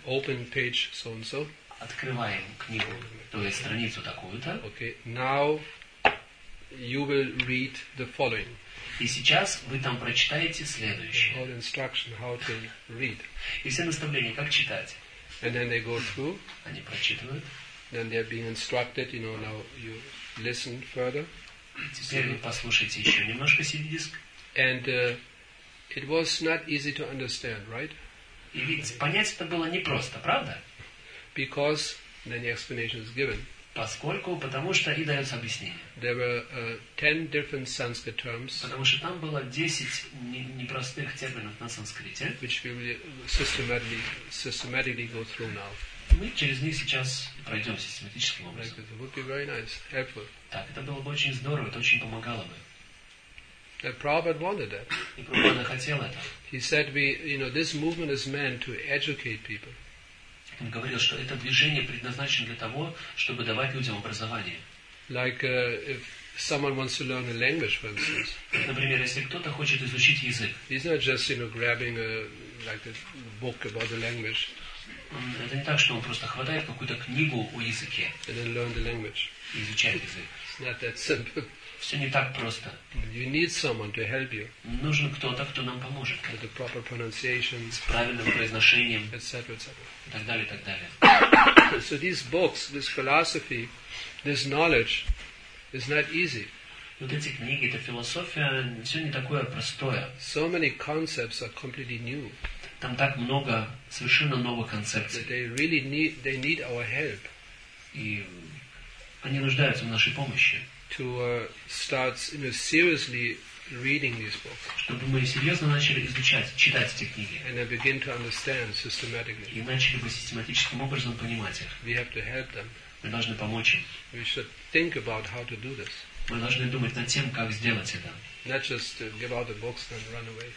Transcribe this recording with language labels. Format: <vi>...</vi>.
<en>Open page so and so.</en> <ru>Открываем книгу, то есть страницу такую-то.</ru> <en>Okay, now you will read the following.</en> <ru>И сейчас вы там прочитаете следующее.</ru> <en>All instruction how to read.</en> <ru>И все наставления, как читать.</ru> <en>And then they go through.</en> <ru>Они прочитывают.</ru> <en>Then they are being instructed, you know, now you listen further.</en> <ru>Теперь вы послушайте еще немножко CD-диск.</ru> <en>And it was not easy to understand, right?</en> <ru>И ведь понять это было непросто, правда?</ru> <en>Because then the explanation is given.</en> <ru>Поскольку, потому что и дается объяснение.</ru> <en>There were 10 different Sanskrit terms.</en> <ru>Потому что там было 10 непростых терминов на санскрите.</ru> <en>Which we will systematically go through now.</en> <ru>Мы через них сейчас пройдем систематическим образом.</ru> <en>That would be very nice, helpful.</en> <ru>Так, это было бы очень здорово, это очень помогало бы.</ru> <en>And Prabhupada wanted that.</en> <ru>И Прабхупада хотел это.</ru> <en>He said, we, you know, this movement is meant to educate people.</en> <ru>Он говорил, что это движение предназначено для того, чтобы давать людям образование.</ru> <en>Like if someone wants to learn a language, for instance.</en> <ru>Например, если кто-то хочет изучить язык.</ru> <en>It's not just, you know, grabbing a like a book about the language.</en> <ru>Это не так, что он просто хватает какую-то книгу о языке.</ru> <en>And then learn the language.</en> <ru>И изучает язык.</ru> <en>It's not that simple.</en> <ru>Все не так просто.</ru> <en>You need someone to help you.</en> <ru>Нужен кто-то, кто нам поможет.</ru> <en>With the proper pronunciation.</en> <ru>С правильным произношением.</ru> <en>Etc. Etc.</en> <ru>И так далее, и так далее.</ru> <en>So these books, this philosophy, this knowledge, is not easy.</en> <ru>Вот эти книги, эта философия, все не такое простое.</ru> <en>So many concepts are completely new.</en> <ru>Там так много совершенно новых концепций.</ru> <en>That they really need, they need our help.</en> <ru>И они нуждаются в нашей помощи.</ru> <en>To start, you know, seriously reading these books.</en> <ru>Чтобы мы серьезно начали изучать, читать эти книги.</ru> <en>And then begin to understand systematically.</en> <ru>И начали бы систематическим образом понимать их.</ru> <en>We have to help them.</en> <ru>Мы должны помочь им.</ru> <en>We should think about how to do this.</en> <ru>Мы должны думать над тем, как сделать это.</ru> <en>Not just give out the books and run away.</en>